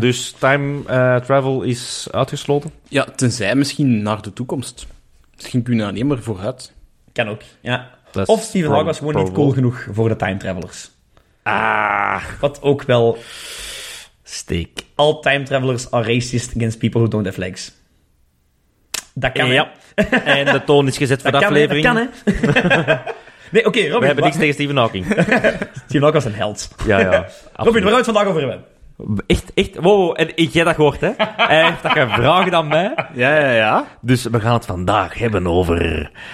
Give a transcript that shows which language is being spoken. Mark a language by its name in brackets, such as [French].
[Dutch] Dus time travel is uitgesloten? Ja, tenzij misschien naar de toekomst. Misschien kunnen we alleen maar vooruit. Kan ook, ja. That's of Stephen Hawking was gewoon niet cool genoeg voor de time travelers. Ah. Wat ook wel... Steak. [English] All time travelers are racist against people who don't have legs. [Dutch] Dat kan, ja. En de toon is gezet voor de aflevering. Dat kan, hè. Nee, oké, Robin. We hebben niks tegen Stephen Hawking. Stephen Hawking was een held. Ja. Absoluut. Robin, waar gaan we het vandaag over hebben? Echt? Wow, en jij hebt dat gehoord, hè? Hij heeft dat gevraagd aan mij. Ja. Dus we gaan het vandaag hebben over...